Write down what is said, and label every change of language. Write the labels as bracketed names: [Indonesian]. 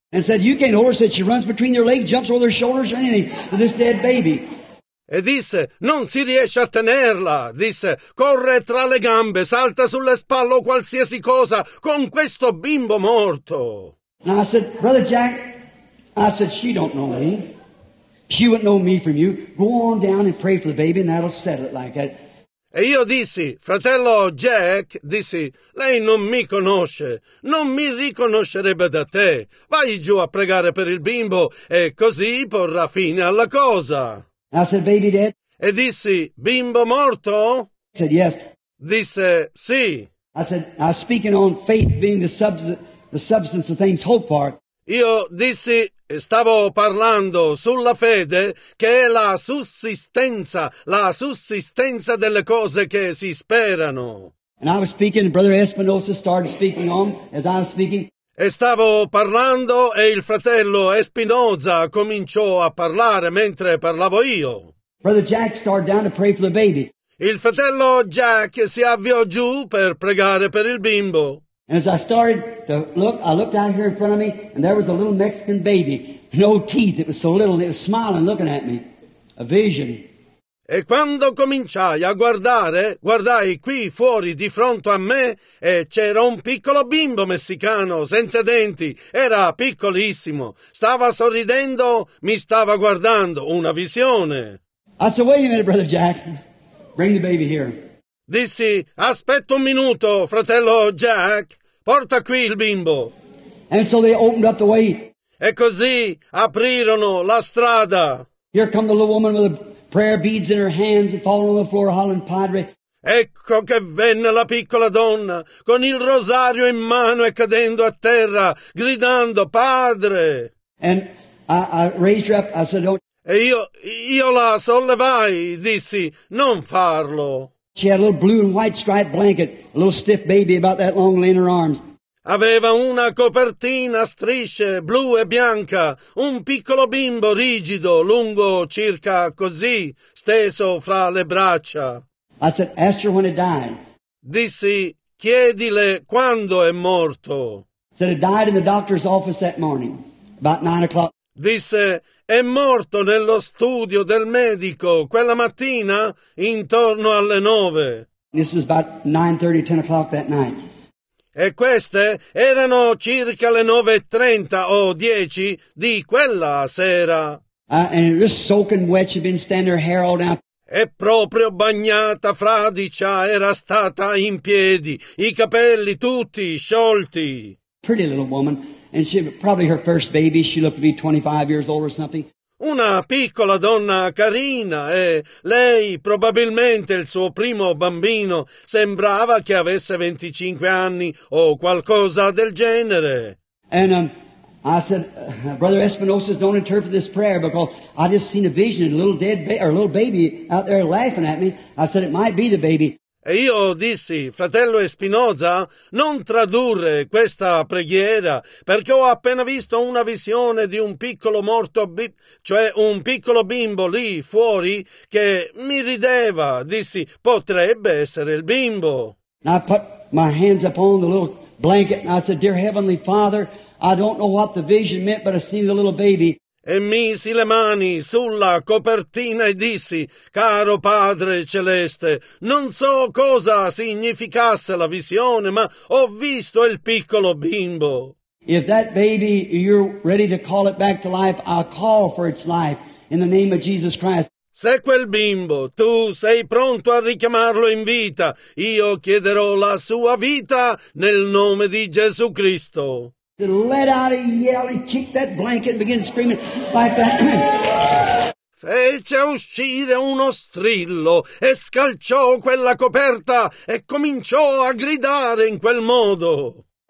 [English] And said, you can't hold her, said she runs between their legs, jumps over their shoulders, or anything, with this dead baby. [Italian] E disse, non si riesce a tenerla, disse, corre tra le gambe, salta sulle spalle o qualsiasi cosa con questo bimbo morto. [English] And I said, Brother Jack, I said, she don't know me. She wouldn't know me from you. Go on down and pray for the baby and that'll settle it like that. [Italian] E io dissi, fratello Jack, dissi, lei non mi conosce, non mi riconoscerebbe da te. Vai giù a pregare per il bimbo e così porrà fine alla cosa. [English] I said, baby dead? [Italian] E dissi, bimbo morto? [English] I said, yes. [Italian] Disse, sì. [English] I said, I'm speaking on faith being the substance of things hoped for. [Italian] Io dissi, e stavo parlando sulla fede, che è la sussistenza delle cose che si sperano. [English] And I was speaking, and Brother Espinosa started speaking on as I was speaking. [Italian] E stavo parlando e il fratello Espinosa cominciò a parlare mentre parlavo io. [English] Brother Jack started down to pray for the baby. [Italian] Il fratello Jack si avviò giù per pregare per il bimbo. [English] And as I started to look, I looked out here in front of me, and there was a little Mexican baby, no teeth, it was so little, and it was smiling, looking at me, a vision. [Italian] E quando cominciai a guardare, guardai qui fuori, di fronte a me, e c'era un piccolo bimbo messicano, senza denti, era piccolissimo, stava sorridendo, mi stava guardando, una visione. [English] I said, wait a minute, Brother Jack, bring the baby here. [Italian] Dissi, aspetta un minuto, fratello Jack, porta qui il bimbo. [English] And so they opened up the way. [Italian] E così aprirono la strada. [English] Here come the little woman with the prayer beads in her hands and falling on the floor hollering, Padre. [Italian] Ecco che venne la piccola donna con il rosario in mano e cadendo a terra, gridando, Padre. [English] And I raised her up, I said, don't. [Italian] E io la sollevai, dissi, non farlo. [English] She had a little blue and white striped blanket, a little stiff baby about that long laying in her arms. [Italian] Aveva una copertina a strisce blu e bianca, un piccolo bimbo rigido, lungo circa così, steso fra le braccia. [English] I said, ask her when it died. [Italian] Dissi, chiedile quando è morto. [English] Said, it died in the doctor's office that morning, about 9 o'clock. [Italian] Disse, è morto nello studio del medico quella mattina intorno alle 9. [English] This is about 9:30, 10 o'clock that night. [Italian] E queste erano circa le 9:30 o 10 di quella sera. [English] And just soaking wet, she'd been standing her hair all down. [Italian] E proprio bagnata, fradicia, era stata in piedi, i capelli tutti sciolti. [English] Pretty little woman. And she probably her first baby, she looked to be 25 years old or something. [Italian] Una piccola donna carina e lei probabilmente il suo primo bambino sembrava che avesse 25 anni o qualcosa del genere. [English] And I said, Brother Espinosa, don't interpret this prayer because I just seen a vision of a little dead baby out there laughing at me. I said it might be the baby. [Italian] E io dissi, fratello Espinosa, non tradurre questa preghiera, perché ho appena visto una visione di un piccolo morto, cioè un piccolo bimbo lì fuori, che mi rideva, dissi, potrebbe essere il bimbo. [English] And I put my hands upon the little blanket and I said, Dear Heavenly Father, I don't know what the vision meant, but I see the little baby. [Italian] E misi le mani sulla copertina e dissi, caro Padre Celeste, non so cosa significasse la visione, ma ho visto il piccolo bimbo. [English] If that baby, you're ready to call it back to life, I call for its life in the name of Jesus Christ. [Italian] Se quel bimbo, tu sei pronto a richiamarlo in vita, io chiederò la sua vita nel nome di Gesù Cristo. [English] to let out a yell. He kicked that blanket and began screaming like that. [Italian] Fece uscire uno strillo e scalciò quella coperta e cominciò a gridare in quel modo.